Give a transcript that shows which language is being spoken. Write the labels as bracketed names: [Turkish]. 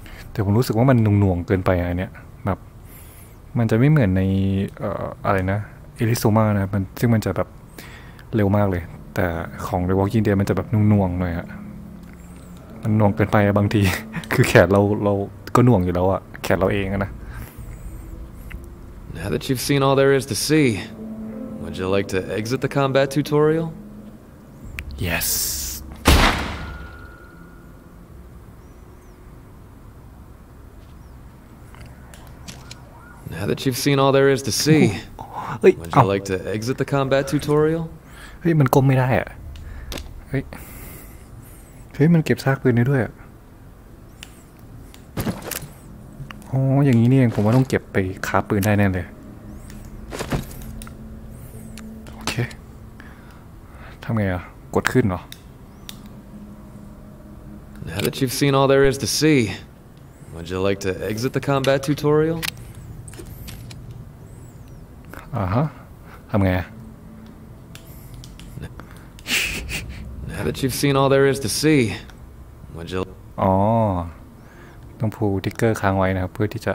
[Thai] แต่ผมรู้สึกว่ามันหน่วงๆเกินไปอันเนี้ยแบบมันจะไม่เหมือนใน อะไรนะเอลิโซมานะมันซึ่งมันจะแบบเร็วมากเลยแต่ของ The Walking Dead มันจะแบบน่วงๆหน่อยฮะมันน่วงเกินไปอะบางที คือแขนเราก็น่วงอยู่แล้วอะแขนเราเองอะนะ [English] Now that you've seen all there is to see would you like to exit the combat tutorial? Yes Now that you've seen all there is to see would you like to exit the combat tutorial [Thai] เฮ้ยมันก้มไม่ได้อ่ะเฮ้ยมันเก็บซากปืนได้ด้วยอ่ะอ๋ออย่างนี้นี่เองผมว่าต้องเก็บไปค้าปืนได้แน่เลยโอเคทำไงอ่ะกดขึ้นเหรอ [English] Now that you've seen all there is to see would you like to exit the combat tutorial [Thai] ฮะทำไงอ่ะ [English] Now that you've seen all there is to see, would you? [Thai] อ๋อต้องพูดติ๊กเกอร์ค้างไว้นะครับเพื่อที่จะ